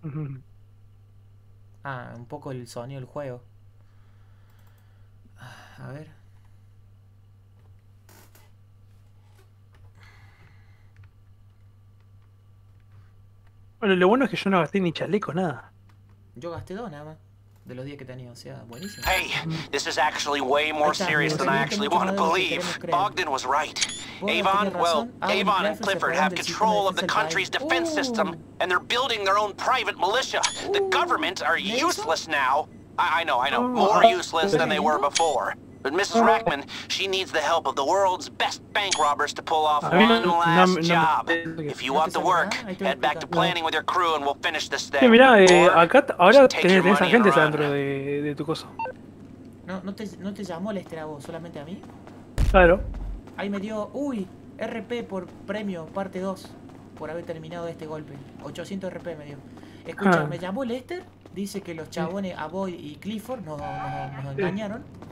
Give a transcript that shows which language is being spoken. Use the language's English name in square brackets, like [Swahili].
[Spanish] Un poco el sonido del juego. A ver. Bueno, lo bueno es que yo no gasté ni chaleco, nada. Yo gasté dos nada más. De los días que tenía, o sea, buenísimo. [English] Hey, this is actually way more serious than I actually want to believe. Bogdan was right. Avon, well, Avon and Clifford have control of the country's defense system, and they're building their own private militia. The government are useless now. I know, more useless than they were before. But Mrs. Rackman, she needs the help of the world's best bank robbers to pull off one last job. If you want the work, head back to planning with your crew and we'll finish this thing. [Spanish] Sí, mira, acá ahora tenés a gente dentro de tu cosa. No te llamó el estrabo, solamente a mí. Claro. Ahí me dio, RP por premio, parte 2, por haber terminado este golpe. 800 RP me dio. Escucha, me llamó Lester, dice que los chabones Aboy y Clifford nos engañaron.